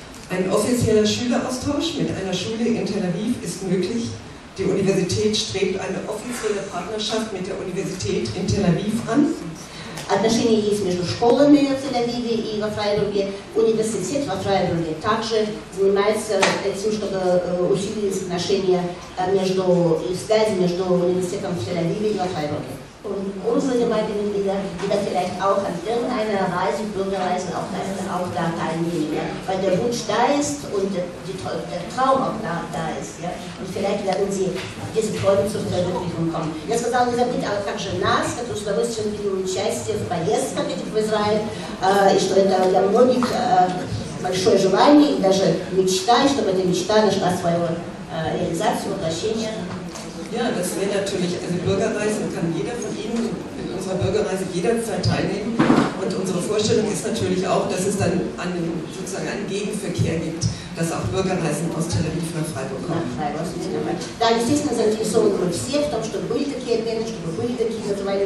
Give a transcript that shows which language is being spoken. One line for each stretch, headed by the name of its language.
German: Ein offizieller Schüleraustausch mit einer Schule in Tel Aviv ist möglich. Die Universität strebt eine offizielle Partnerschaft mit der Universität in Tel Aviv an.
Russian: Отношения есть между школами в Тель-Авиве и во Фрайбурге. Университет во Фрайбурге также занимается этим, чтобы усилить отношения между связи между университетом в Тель-Авиве и во Фрайбурге.
German: Unsere Gemeindemitglieder, die dann vielleicht auch an irgendeiner Reise, Bürgerreise, auch da teilnehmen, ja? Weil der Wunsch da ist und der Traum auch da ist. Ja? Und vielleicht werden sie diese Träume zur Verwirklichung kommen.
Russian: Я сказала, не забудьте, а также нас, которые с удовольствием приняли участие в поездках этих в Израиль, и что это для многих большое желание и даже мечта, и чтобы эта мечта нашла свою реализацию, воплощение.
German: Ja, das wäre natürlich, also Bürgerreisen kann jeder von Ihnen mit unserer Bürgerreise jederzeit teilnehmen. Und unsere Vorstellung ist natürlich auch, dass es dann einen, sozusagen einen Gegenverkehr gibt, dass auch Bürgerreisen aus Tel Aviv nach Freiburg kommen. Da ist es natürlich so, dass wir uns alle Bürgerreisen,